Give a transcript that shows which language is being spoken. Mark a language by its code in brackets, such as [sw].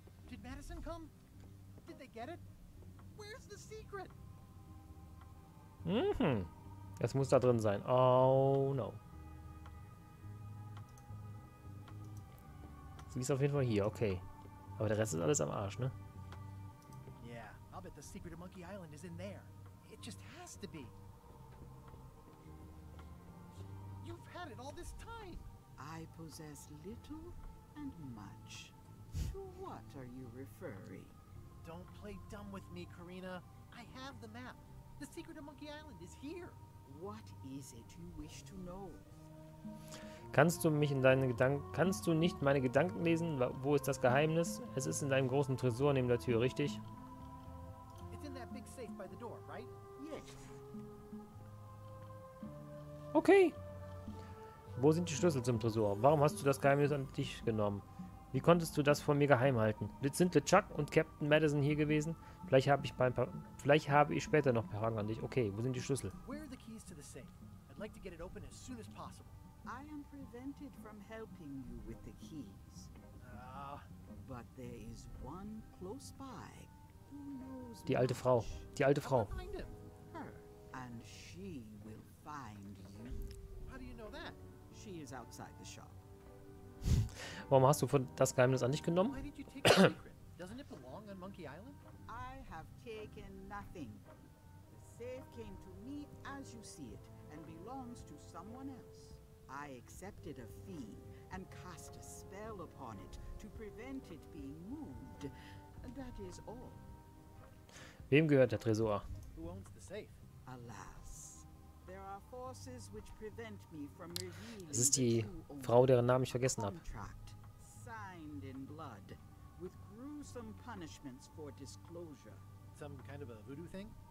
[en] Did Madison come? Did they get it? Where's the secret? [de] Mhm. Es muss da drin sein. [en] Oh no. [de] Sie ist auf jeden Fall hier, okay. Aber der Rest ist alles am Arsch, ne? [en] Yeah, I'll bet the secret of Monkey Island is in there. It just has to be. You've had it all this time. I possess little and much. To what are you referring? Don't play dumb with me, Karina. I have the map. The secret of Monkey Island is here. What is it you wish to know? [de] Kannst du mich in deine Gedanken... Kannst du nicht meine Gedanken lesen? Wo ist das Geheimnis? Es ist in deinem großen Tresor neben der Tür, richtig? [en] It's in that big safe by the door, right? Yes. [de] Okay. Wo sind die Schlüssel zum Tresor? Warum hast du das Geheimnis an dich genommen? Wie konntest du das vor mir geheim halten? Sind LeChuck und Captain Madison hier gewesen? Vielleicht habe ich später noch Fragen an dich. Okay, wo sind die Schlüssel? [en] Where are the keys to the safe? I'd like to get it open as soon as possible. I am prevented from helping you with the keys. But there is one close by. Who knows? [de] Die alte Frau. Die alte Frau. [en] And she will find you. How do you know that? She is outside the shop. [de] Warum hast du das Geheimnis an dich genommen? [en] Why did you take the secret? Doesn't it belong on Monkey Island? I have taken nothing. The safe came to me as you see it and belongs to someone else. I accepted a fee and cast a spell upon it to prevent it being moved. That is all. [de] Wem gehört der Tresor? [en] Who owns the safe? Alas, there are forces which prevent me from revealing. [de] Das ist die Frau, deren Namen ich vergessen habe. [en] Signed in blood, with gruesome punishments for disclosure. Some kind of a voodoo thing?